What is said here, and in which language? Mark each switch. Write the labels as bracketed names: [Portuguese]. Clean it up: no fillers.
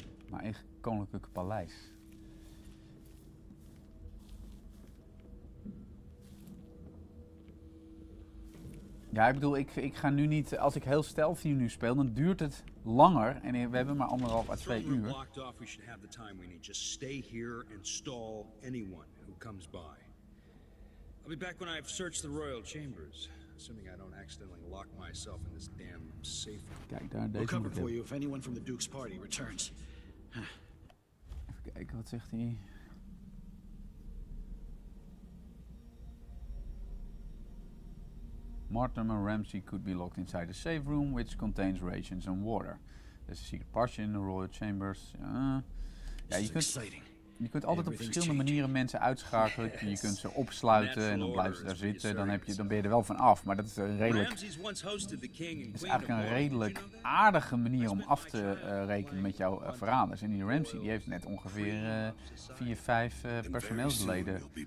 [Dutch] Mijn eigen koninklijke paleis. Ja, ik bedoel, ik ga nu niet, als ik heel stealthy nu speel, dan duurt het langer. En we hebben maar anderhalf à twee uur. [English] Locked off, we should have the time we need. Just stay here and stall anyone who comes by. I'll be back when I've searched the royal chambers. Assuming I don't accidentally lock myself in this damn safe room. [Dutch] Kijk daar, deze [English] we'll cover for you if anyone from the Duke's party returns. [Dutch] Even kijken, wat zegt hij? [English] Mortimer Ramsay could be locked inside a safe room which contains rations and water. There's a secret partition in the royal chambers. [Dutch] Ja, je kunt altijd op verschillende manieren mensen uitschakelen. [English] Yes. [Dutch] Je kunt ze opsluiten en dan blijven ze daar zitten. Dan ben je er wel van af. Maar dat is een redelijk. Is eigenlijk een redelijk aardige manier om af te rekenen met jouw verraders. En die Ramsay die heeft net ongeveer 4-5 personeelsleden.